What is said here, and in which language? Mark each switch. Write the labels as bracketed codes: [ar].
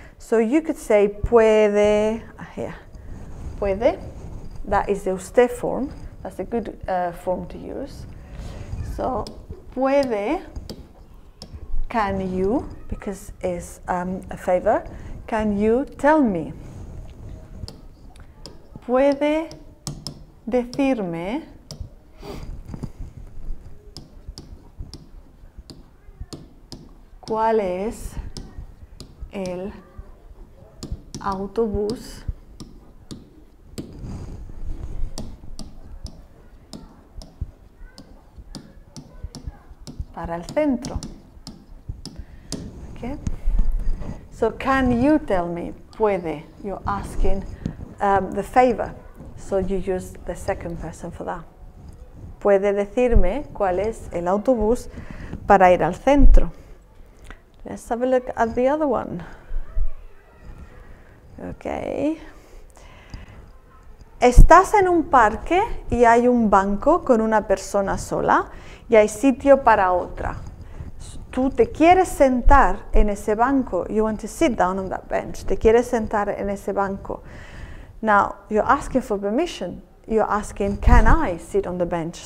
[en] So you could say puede, here, puede. That is the usted form. That's a good form to use. So puede, can you, because it's a favor, can you tell me? [es] Puede decirme cuál es el autobús para el centro. [en] Okay. So can you tell me, puede, you're asking the favor. So you use the second person for that. [es] Puede decirme cuál es el autobús para ir al centro. [en] Let's have a look at the other one. Okay. [es] Estás en un parque y hay un banco con una persona sola y hay sitio para otra. Tú te quieres sentar en ese banco. [en] You want to sit down on that bench. [es] Te quieres sentar en ese banco. [en] Now, you're asking for permission. You're asking, can I sit on the bench?